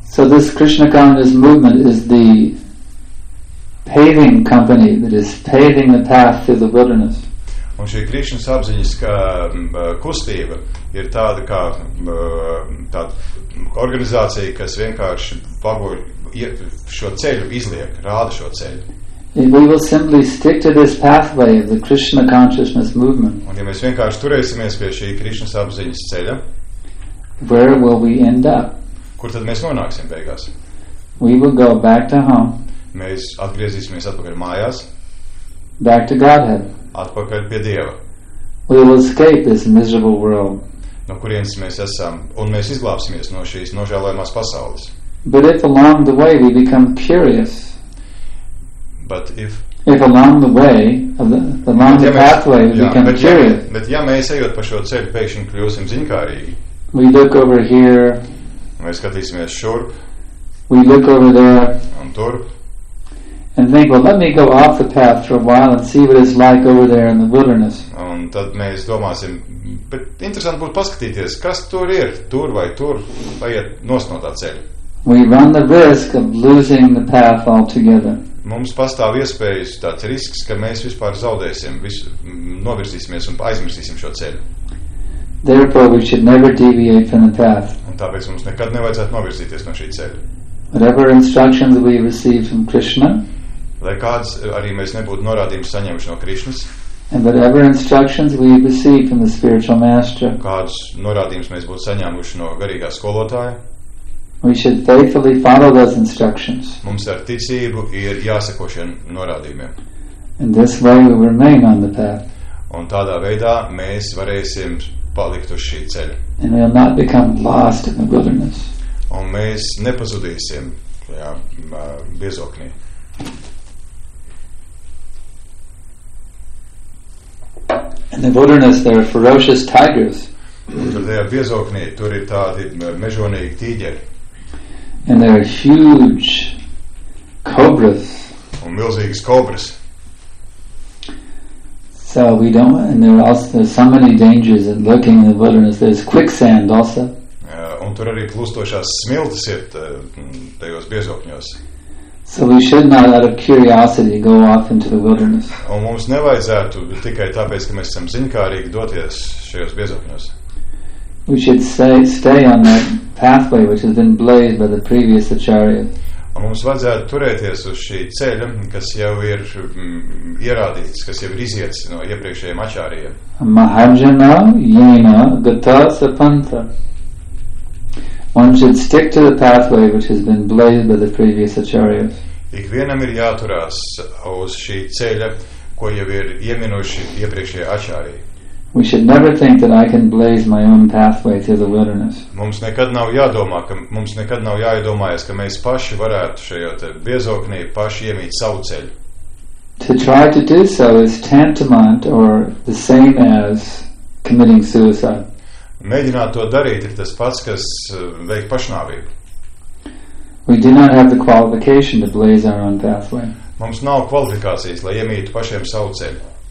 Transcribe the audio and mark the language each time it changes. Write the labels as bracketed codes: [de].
[en] So this Krishna Consciousness Movement is the paving company that is paving the path through the wilderness. [lv] Un šī Krišnas apziņas kā kustība ir tāda kā tāda organizācija, kas vienkārši pavoj šo ceļu, izliek, rāda šo ceļu. [en] If we will simply stick to this pathway of the Krishna Consciousness Movement, [lv] un ja mēs vienkārši turēsimies pie šī Krišnas apziņas ceļa, [en] where will we end up? [lv] Kur tad mēs nonāksim beigās? [en] We will go back to home. [lv] Mēs atgriezīsimies atpakaļ mājās. [en] Back to Godhead. [lv] Atpakaļ pie Dieva. [en] We will escape this miserable world. [lv] No kurienes mēs esam, un mēs izglābsimies no šīs nožēlojamās pasaules. [en] But if along the way we become curious, but if along the way, along the pathway we become curious, [lv] bet ja mēs ejot pa šo ceļu pēkšņi kļūsim zinkārīgi, [en] we look over here, [lv] mēs skatīsimies šur, [en] we look over there, [lv] un tur, [en] and think, well, let me go off the path for a while and see what it's like over there in the wilderness. [lv] Un tad mēs domāsim, bet interesanti būtu paskatīties, kas tur ir, tur vai tur, vai iet nost no tā ceļa. [en] We run the risk of losing the path altogether. [lv] Mums pastāv iespējas tāds risks, ka mēs vispār zaudēsim, novirzīsimies un aizmirsīsim šo ceļu. [en] Therefore, we should never deviate from the path. [lv] Un tāpēc mums nekad nevajadzētu novirzīties no šī ceļa. [en] Whatever instructions we receive from Krishna, [lv] lai kāds arī mēs nebūtu norādījums saņemuši no Krišnas, [en] and whatever instructions we receive from the spiritual master, [lv] kāds norādījums mēs būtu saņēmuši no garīgā skolotāja, [en] we should faithfully follow those instructions. [lv] Mums ar ticību ir jāseko šiem norādījumiem. [en] And this way we remain on the path. [lv] Un tādā veidā mēs varēsim palikt uz šī ceļa. [en] And we will not become lost in the wilderness. [lv] Un mēs nepazudīsim tajā biezoknī. [en] In the wilderness there are ferocious tigers. [lv] Tur tajā biezoknī tur ir tādi mežonīgi tīģeri. [en] And there are huge cobras. [lv] Un milzīgas kobras. [en] So we don't, and there's so many dangers in looking in the wilderness. There's quicksand also. [lv] Un tur arī plūstošās smiltis ir tajos biezokņos. [en] So we should not out of curiosity go off into the wilderness. [lv] Un mums nevajadzētu tikai tāpēc, ka mēs esam ziņkārīgi doties šajos biezapņos. [en] We should stay on that pathway which has been blazed by the previous acharyas. [lv] Un mums vajadzētu turēties uz šī ceļa, kas jau ir ierādīts, kas jau ir iziets no iepriekšējiem acharyiem. [sa] Mahajana yena gata sapanta. [en] One should stick to the pathway which has been blazed by the previous acharyas. [lv] Ikvienam ir jāturās uz šī ceļa, ko jau ir ieminuši iepriekšējie acharī. [en] We should never think that I can blaze my own pathway through the wilderness. [lv] Mums nekad nav jādomā, ka mums nekad nav jāiedomājas, ka mēs paši varētu šajā te biezoknī paši iemīt savu ceļu. [en] To try to do so is tantamount or the same as committing suicide. [lv] Mēģināt to darīt ir tas pats, kas veikt pašnāvību. [en] We do not have the qualification to blaze our own pathway. [lv] Mums nav kvalifikācijas, lai iemītu pašiem savu ceļu.